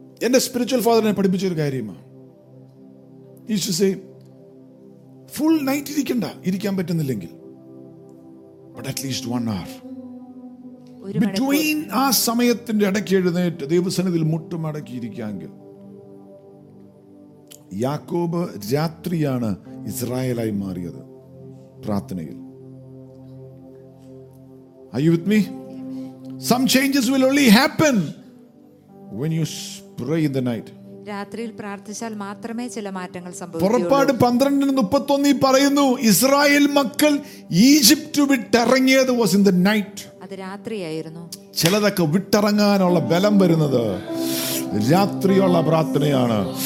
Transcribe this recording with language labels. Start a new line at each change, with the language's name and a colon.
Malayalam: എന്റെ സ്പിരിച്വൽ ഫാദറിനെ പഠിപ്പിച്ചൊരു കാര്യമാണ്, യീഷു say full night ഇരിക്കണ്ട, ഇരിക്കാൻ പറ്റുന്നില്ലെങ്കിൽ അറ്റ്ലീസ്റ്റ് 1 hour ബിറ്റ്വീൻ, ആ സമയത്തിന്റെ ഇടയ്ക്ക് എഴുന്നേറ്റ് ദൈവസന്നിധിയിൽ മുട്ടുമടക്കി ഇരിക്കാമെങ്കിൽ. യാക്കോബ് രാത്രിയാണ് ഇസ്രായേലായി മാറിയത് പ്രാർത്ഥനയിൽ.
English: Are you with me? Some changes will only happen when you pray in the night.
Malayalam: രാത്രിയിൽ പ്രാർത്ഥിച്ചാൽ മാത്രമേ ചില മാറ്റങ്ങൾ സംഭവിക്കൂ. പുറപ്പാട് 12:31 പറയുന്നു, ഇസ്രായേൽ മക്കൾ Egypt വിട്ടിറങ്ങിയത്
English: was in the night.
Malayalam: അത് രാത്രിയായിരുന്നു. ചിലതൊക്കെ വിട്ടിറങ്ങാനുള്ള ബലം വരുന്നത് രാത്രിയുള്ള പ്രാർത്ഥനയാണ്.